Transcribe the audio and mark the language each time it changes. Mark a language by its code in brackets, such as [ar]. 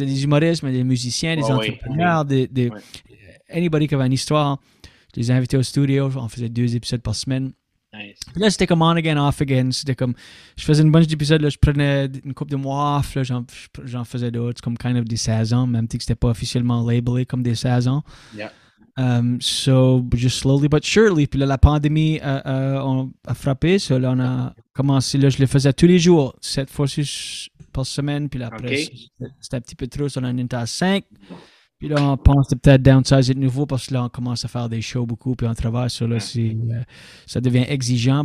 [fr] C'est des humoristes, mais des musiciens, des entrepreneurs, anybody qui avait une histoire. Je les ai invités au studio, on faisait deux épisodes par semaine. [en] Nice. [fr] Là, c'était comme [en] on again, off again. [fr] C'était comme, je faisais une bunch d'épisodes, là, je prenais une couple de mois off, là, j'en faisais d'autres, comme [en] kind of [fr] des saisons, même si c'était pas officiellement labelé comme des saisons. [en] Yeah. So, just slowly but surely. [fr] Puis là, la pandémie a frappé. So, là, on a commencé, là, je le faisais tous les jours, 7 fois 6 par semaine. Puis là, après, c'était un petit peu trop, so, là, on en était à 5. Puis là, on pense de peut-être downsize de nouveau parce que là, on commence à faire des shows beaucoup puis on travaille sur là, ça devient exigeant.